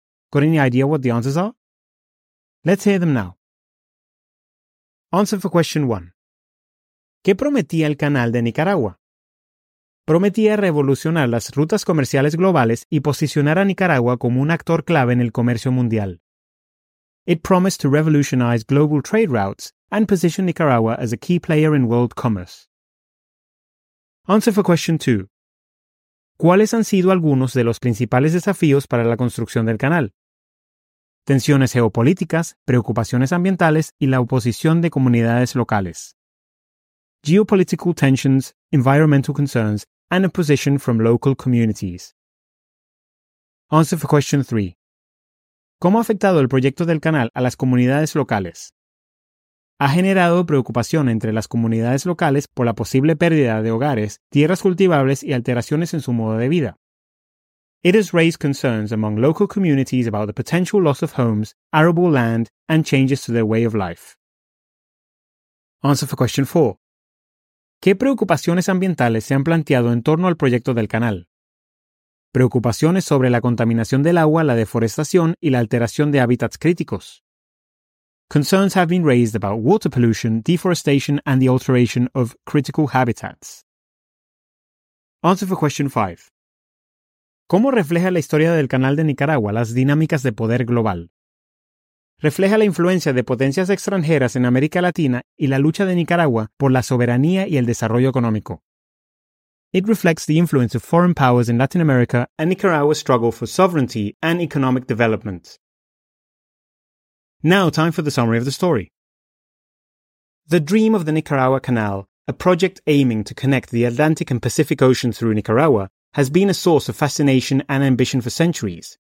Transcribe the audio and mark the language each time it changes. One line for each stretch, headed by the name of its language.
English: Got any idea what the answers are? Let's hear them now. Answer for question 1.
Spanish: ¿Qué prometía el canal de Nicaragua? Prometía revolucionar las rutas comerciales globales y posicionar a Nicaragua como un actor clave en el comercio mundial.
English: It promised to revolutionize global trade routes and position Nicaragua as a key player in world commerce. Answer for question 2.
Spanish: ¿Cuáles han sido algunos de los principales desafíos para la construcción del canal? Tensiones geopolíticas, preocupaciones ambientales y la oposición de comunidades locales.
English: geopolitical tensions, environmental concerns, and opposition from local communities. Answer for question 3.
Spanish: ¿Cómo ha afectado el proyecto del canal a las comunidades locales? Ha generado preocupación entre las comunidades locales por la posible pérdida de hogares, tierras cultivables y alteraciones en su modo de vida.
English: It has raised concerns among local communities about the potential loss of homes, arable land, and changes to their way of life. Answer for question 4.
Spanish: ¿Qué preocupaciones ambientales se han planteado en torno al proyecto del canal? Preocupaciones sobre la contaminación del agua, la deforestación y la alteración de hábitats críticos.
English: Concerns have been raised about water pollution, deforestation, and the alteration of critical habitats. Answer for question 5.
Spanish: ¿Cómo refleja la historia del canal de Nicaragua las dinámicas de poder global? Refleja la influencia de potencias extranjeras en América Latina y la lucha de Nicaragua por la soberanía y el desarrollo económico.
English: It reflects the influence of foreign powers in Latin America and Nicaragua's struggle for sovereignty and economic development. Now time for the summary of the story. The dream of the Nicaragua Canal, a project aiming to connect the Atlantic and Pacific Ocean through Nicaragua, has been a source of fascination and ambition for centuries.